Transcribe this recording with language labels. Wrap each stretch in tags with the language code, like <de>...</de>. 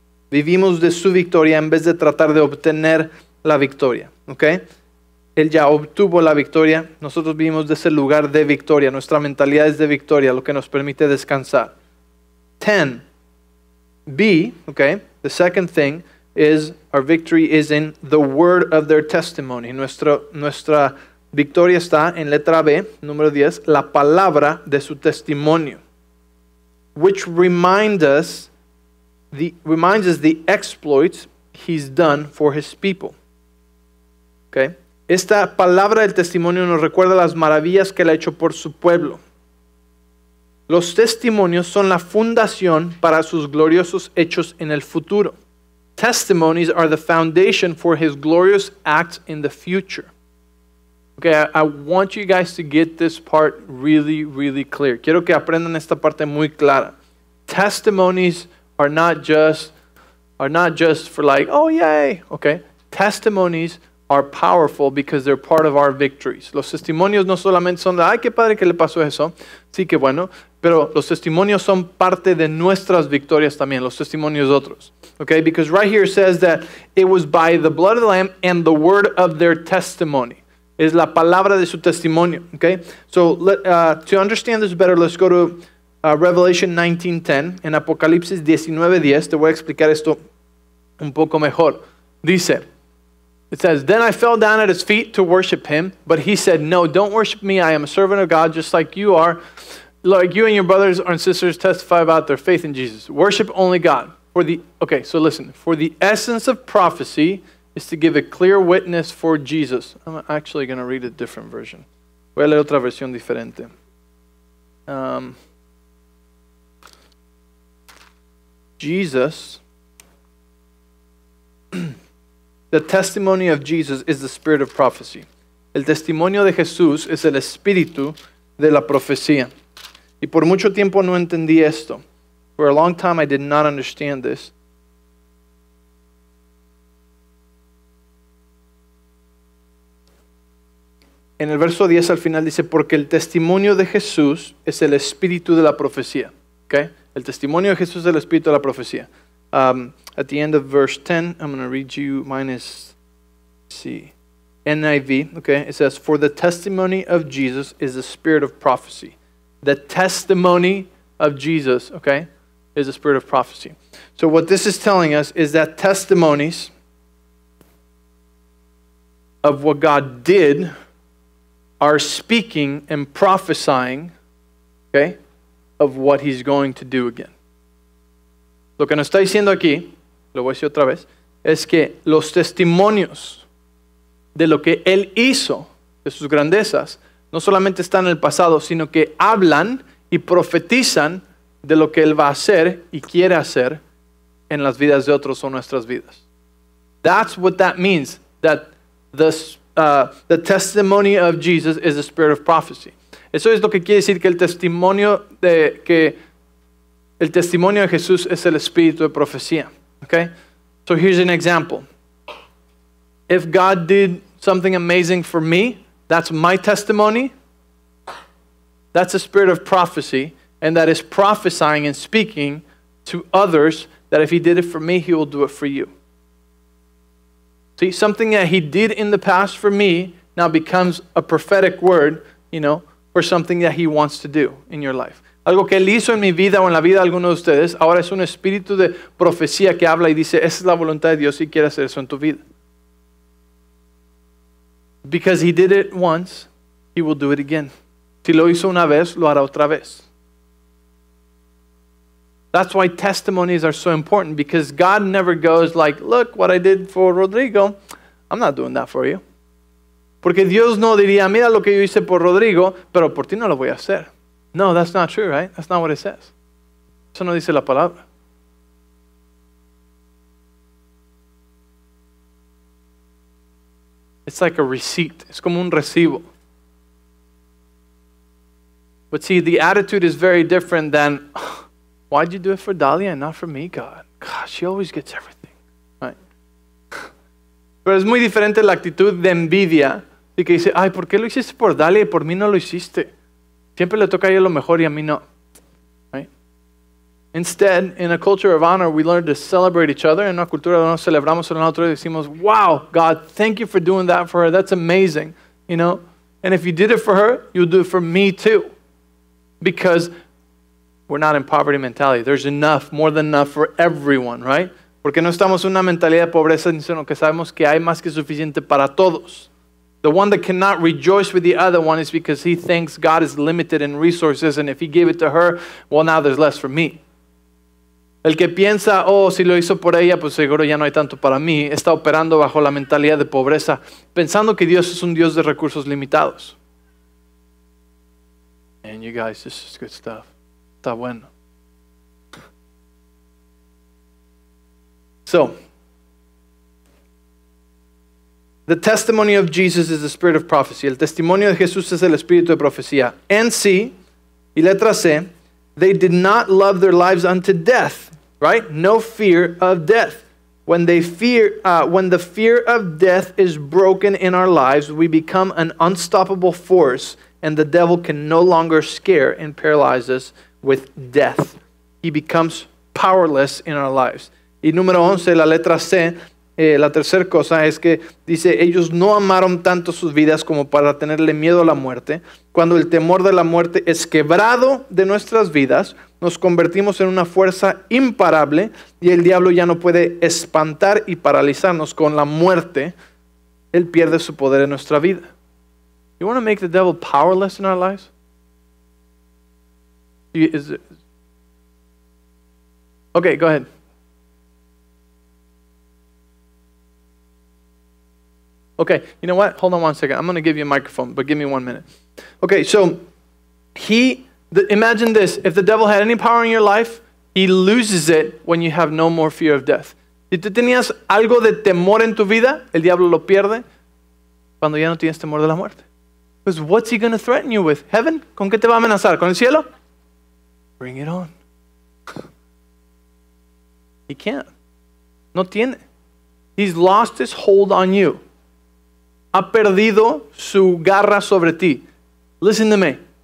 <es>Vivimos de su victoria en vez de tratar de obtener la victoria, ¿okay? Él ya obtuvo la victoria. Nosotros vivimos de ese lugar de victoria. Nuestra mentalidad es de victoria, lo que nos permite descansar. 10.</es> <en>B, okay, the second thing is our victory is in the word of their testimony.</en> <es>Nuestra victoria está en letra B, número 10, la palabra de su testimonio.</es> <en>Which reminds us the exploits he's done for his people. Okay.</en> <es>Esta palabra del testimonio nos recuerda las maravillas que él ha hecho por su pueblo. Los testimonios son la fundación para sus gloriosos hechos en el futuro.</es> <en>Testimonies are the foundation for his glorious acts in the future. Okay, I want you guys to get this part really, really clear.</en> <es>Quiero que aprendan esta parte muy clara.</es> <en>Testimonies are not just for like, oh, yay, okay? Testimonies are powerful because they're part of our victories.</en> <es>Los testimonios no solamente son de, ay, qué padre que le pasó eso. Sí, qué bueno. Pero los testimonios son parte de nuestras victorias también, los testimonios de otros.</es> <en>Okay, because right here says that it was by the blood of the Lamb and the word of their testimony.</en> <es>Es la palabra de su testimonio.</es> <en>Okay, so to understand this better, let's go to Revelation 19:10 and Apocalipsis 19:10.</en> <es>Te voy a explicar esto un poco mejor.</es> <en>Dice, it says, then I fell down at his feet to worship him, but he said, no, don't worship me. I am a servant of God just like you are. Like you and your brothers and sisters testify about their faith in Jesus. Worship only God. For the essence of prophecy is to give a clear witness for Jesus. I'm actually going to read a different version.</en> <es>Voy a leer otra versión diferente.</es> <en>Jesus. The testimony of Jesus is the spirit of prophecy.</en> <es>El testimonio de Jesús es el espíritu de la profecía. Y por mucho tiempo no entendí esto.</es> <en>For a long time I did not understand this.</en> <es>En el verso 10 al final dice, porque el testimonio de Jesús es el espíritu de la profecía. Okay? El testimonio de Jesús es el espíritu de la profecía.</es> <en>At the end of verse 10, I'm going to read you, NIV. Okay? It says, for the testimony of Jesus is the spirit of prophecy. The testimony of Jesus, okay, is the spirit of prophecy. So what this is telling us is that testimonies of what God did are speaking and prophesying, okay, of what he's going to do again.</en> <es>Lo que nos está diciendo aquí, lo voy a decir otra vez, es que los testimonios de lo que él hizo, de sus grandezas, no solamente están en el pasado, sino que hablan y profetizan de lo que él va a hacer y quiere hacer en las vidas de otros o nuestras vidas.</es> <en>That's what that means, that the testimony of Jesus is the spirit of prophecy.</en> <es>Eso es lo que quiere decir que el testimonio de Jesús es el espíritu de profecía.</es> <en>Okay? So here's an example. If God did something amazing for me, that's my testimony. That's the spirit of prophecy. And that is prophesying and speaking to others that if he did it for me, he will do it for you. See, something that he did in the past for me now becomes a prophetic word, you know, for something that he wants to do in your life.</en> <es>Algo que él hizo en mi vida o en la vida de alguno de ustedes, ahora es un espíritu de profecía que habla y dice, esa es la voluntad de Dios y quiere hacer eso en tu vida.</es> <en>Because he did it once, he will do it again.</en> <es>Si lo hizo una vez, lo hará otra vez.</es> <en>That's why testimonies are so important, because God never goes like, look what I did for Rodrigo, I'm not doing that for you.</en> <es>Porque Dios no diría, mira lo que yo hice por Rodrigo, pero por ti no lo voy a hacer.</es> <en>No, that's not true, right? That's not what it says.</en> <es>Eso no dice la palabra.</es> <en>It's like a receipt.</en> <es>Es como un recibo.</es> <en>But see, the attitude is very different than, oh, why'd you do it for Dahlia and not for me, God? God, she always gets everything. Right?</en> <es>Pero es muy diferente la actitud de envidia. De que dice, ay, ¿por qué lo hiciste por Dahlia y por mí no lo hiciste? Siempre le toca a ella lo mejor y a mí no. Right?</es> <en>Instead, in a culture of honor, we learn to celebrate each other.</en> <es>En una cultura donde nos celebramos el uno al otro y decimos,</es> <en>wow, God, thank you for doing that for her. That's amazing. You know? And if you did it for her, you'll do it for me too. Because we're not in poverty mentality. There's enough, more than enough for everyone, right?</en> <es>Porque no estamos en una mentalidad de pobreza, sino que sabemos que hay más que suficiente para todos.</es> <en>The one that cannot rejoice with the other one is because he thinks God is limited in resources, and if he gave it to her, well, now there's less for me.</en> <es>El que piensa, oh, si lo hizo por ella, pues seguro ya no hay tanto para mí, está operando bajo la mentalidad de pobreza, pensando que Dios es un Dios de recursos limitados.</es> <en>And you guys, this is good stuff.</en> <es>Está bueno.</es> <en>So, the testimony of Jesus is the spirit of prophecy.</en> <es>El testimonio de Jesús es el espíritu de profecía.</es> <en>And C,</en> <es>y letra C,</es> <en>they did not love their lives unto death, right? No fear of death. When they fear, when the fear of death is broken in our lives, we become an unstoppable force, and the devil can no longer scare and paralyze us with death. He becomes powerless in our lives.</en> <es>Y número 11, la letra C, la tercera cosa es que dice, ellos no amaron tanto sus vidas como para tenerle miedo a la muerte. Cuando el temor de la muerte es quebrado de nuestras vidas, nos convertimos en una fuerza imparable y el diablo ya no puede espantar y paralizarnos con la muerte. Él pierde su poder en nuestra vida.</es> <en>You want to make the devil powerless in our lives? Okay, go ahead. Okay, you know what? Hold on 1 second. I'm going to give you a microphone, but give me 1 minute. Okay, so imagine this. If the devil had any power in your life, he loses it when you have no more fear of death.</en> <es>Si tú tenías algo de temor en tu vida, el diablo lo pierde cuando ya no tienes temor de la muerte.</es> <en>Because what's he going to threaten you with? Heaven?</en> <es>¿Con qué te va a amenazar? ¿Con el cielo?</es> <en>Bring it on. He can't.</en> <es>No tiene.</es> <en>He's lost his hold on you.</en> <es>Ha perdido su garra sobre ti.</es> <en>Listen to me.</en>